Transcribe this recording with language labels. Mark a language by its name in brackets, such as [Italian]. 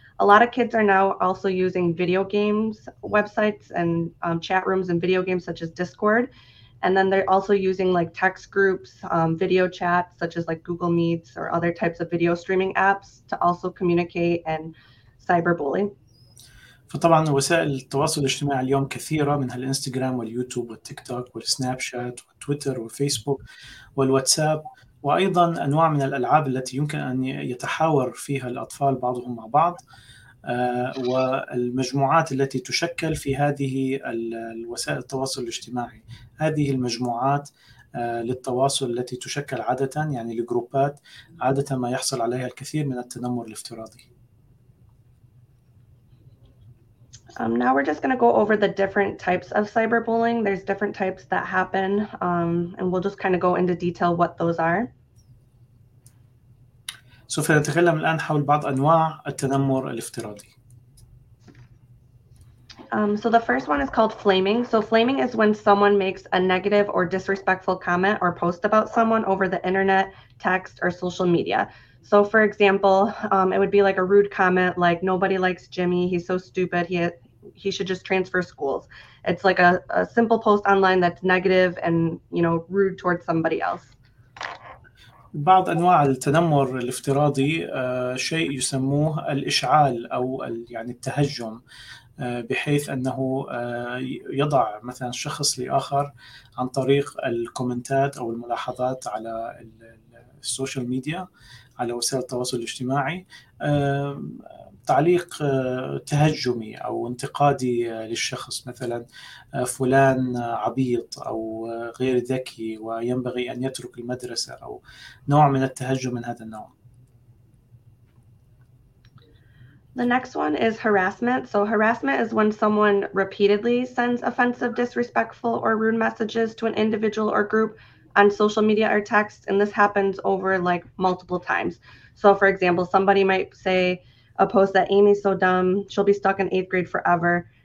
[English] A lot of kids are now also using video games websites and chat rooms and video games such as Discord. And then they're also using like text groups, video chats such as like Google Meets or other types of video streaming apps to also communicate and cyberbully. [Arabic] فطبعا وسائل التواصل الاجتماعي اليوم كثيرة منها الانستغرام واليوتيوب والتيك توك والسناب شات والتويتر والفيسبوك والواتساب وأيضا أنواع من الألعاب التي يمكن أن يتحاور فيها الأطفال بعضهم مع بعض، والمجموعات التي تشكل في هذه الوسائل التواصل الاجتماعي، هذه المجموعات للتواصل التي تشكل عادة، يعني الجروبات عادة ما يحصل عليها الكثير من التنمر الافتراضي. [English] Now we're just going to go over the different types of cyberbullying. There's different types that happen, and we'll just kind of go into detail what those are. [Arabic] سوف نتكلم الآن حول بعض أنواع التنمر الافتراضي. [English] So the first one is called flaming. So flaming is when someone makes a negative or disrespectful comment or post about someone over the internet, text, or social media. So for example, it would be like a rude comment like, nobody likes Jimmy, he's so stupid, he should just transfer schools. It's like a simple post online that's negative and, you know, rude towards somebody else. [Arabic] بعض أنواع التنمر الافتراضي شيء يسموه الإشعال أو يعني التهجم، بحيث أنه يضع مثلا شخص لآخر عن طريق الكومنتات أو الملاحظات على السوشيال ميديا، على وسائل التواصل الاجتماعي، تعليق تهجمي أو انتقادي للشخص، مثلا فلان عبيط أو غير ذكي وينبغي أن يترك المدرسة، أو نوع من التهجم من هذا النوع. [English] The next one is harassment. So harassment is when someone repeatedly sends offensive, disrespectful, or rude messages to an individual or group on social media or text, and this happens over like multiple times. So for example, somebody might say a post that Amy's so dumb, she'll be stuck in eighth grade forever.